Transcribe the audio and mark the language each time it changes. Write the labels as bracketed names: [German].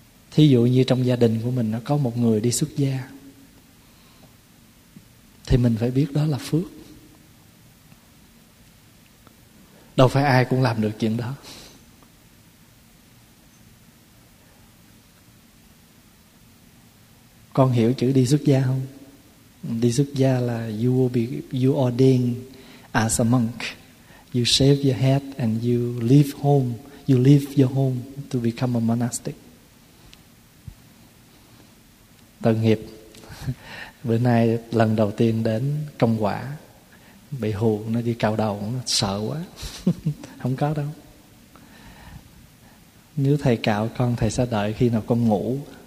[Vietnamese] Thí dụ như trong gia đình của mình nó có một người đi xuất gia, thì mình phải biết đó là phước. Đâu phải ai cũng làm được chuyện đó. Con hiểu chữ đi xuất gia không? Đi xuất gia là [English] you will be, you ordained as a monk. You shave your head and you leave home. You leave your home to become a monastic. [Vietnamese] Tội nghiệp. Bữa nay lần đầu tiên đến công quả, bị hù, nó đi cào đầu, nó sợ quá. Không có đâu. Nếu thầy cạo con, thầy sẽ đợi khi nào con ngủ.